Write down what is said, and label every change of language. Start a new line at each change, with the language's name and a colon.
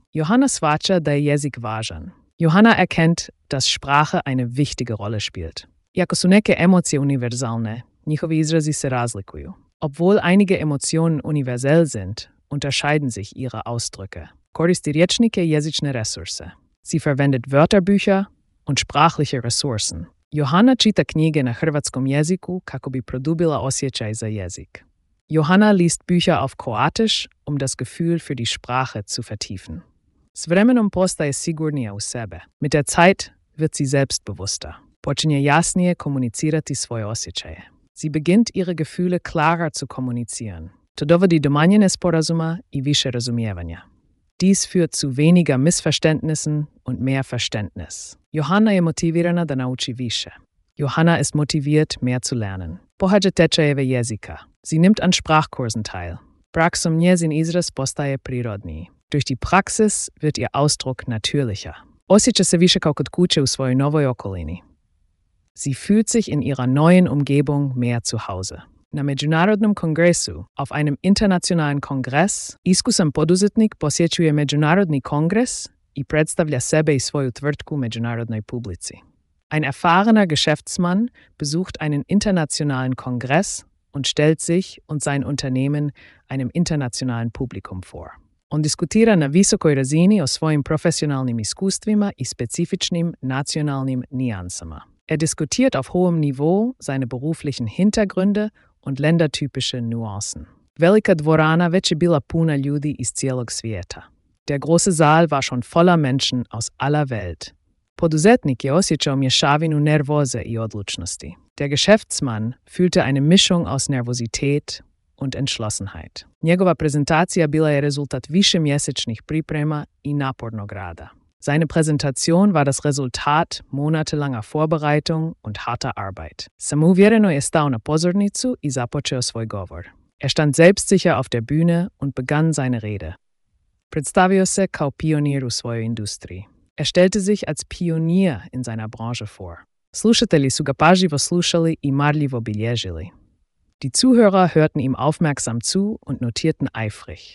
Croatian: Johanna svača da je jezik važan.
German: Johanna erkennt, dass Sprache eine wichtige Rolle spielt.
Croatian: Iako su neke emocije univerzalne, njihovi izrazi se razlikuju.
German: Obwohl einige Emotionen universell sind, unterscheiden sich ihre Ausdrücke.
Croatian: Koristi riječnike i jezične resurse.
German: Sie verwendet Wörterbücher und sprachliche Ressourcen.
Croatian: Johanna čita knjige na hrvatskom jeziku kako bi produbila osjećaj za jezik.
German: Johanna liest Bücher auf Kroatisch, um das Gefühl für die Sprache zu vertiefen.
Croatian: S vremenom postaje sigurnija u sebe.
German: Mit der Zeit wird sie selbstbewusster.
Croatian: Počinje jasnije komunicirati svoje osjećaje.
German: Sie beginnt ihre Gefühle klarer zu kommunizieren.
Croatian: To dovodi do manje nesporazuma i više razumijevanja.
German: Dies führt zu weniger Missverständnissen und mehr Verständnis.
Croatian: Johanna je motivirana da nauči više.
German: Johanna ist motiviert, mehr zu lernen.
Croatian: Pohađa tečajeve jezika.
German: Sie nimmt an Sprachkursen teil.
Croatian: Praksom njezin izraz postaje prirodniji.
German: Durch die Praxis wird ihr Ausdruck natürlicher.
Croatian: Osjeća se više kao kod kuće u svojoj novoj okolini.
German: Sie fühlt sich in ihrer neuen Umgebung mehr zu Hause.
Croatian: Na međunarodnom kongresu,
German: auf einem internationalen Kongress,
Croatian: iskusan poduzetnik posjećuje međunarodni kongres i predstavlja sebe i svoju tvrtku međunarodnoj publici.
German: Ein erfahrener Geschäftsmann besucht einen internationalen Kongress und stellt sich und sein Unternehmen einem internationalen Publikum vor.
Croatian: On diskutira na visokoj razini o svojim profesionalnim iskustvima i specifičnim nacionalnim nijansama.
German: Diskutiert auf hohem Niveau seine beruflichen Hintergründe und ländertypische Nuancen.
Croatian: Velika dvorana već je bila puna ljudi iz cijelog svijeta.
German: Der große Saal war schon voller Menschen aus aller Welt.
Croatian: Poduzetnik je osjećao mješavinu nervoze i odlučnosti.
German: Der Geschäftsmann fühlte eine Mischung aus Nervosität und Entschlossenheit.
Croatian: Njegova prezentacija bila je rezultat višemjesečnih priprema i napornog rada.
German: Seine Präsentation war das Resultat monatelanger Vorbereitung und harter Arbeit.
Croatian: Samouvjereno je stao na pozornicu i započeo svoj govor.
German: Stand selbstsicher auf der Bühne und begann seine Rede.
Croatian: Predstavio se kao pionir u svojoj industriji.
German: Stellte sich als Pionier in seiner Branche vor.
Croatian: Slušatelji su ga pažljivo slušali i marljivo bilježili.
German: Die Zuhörer hörten ihm aufmerksam zu und notierten eifrig.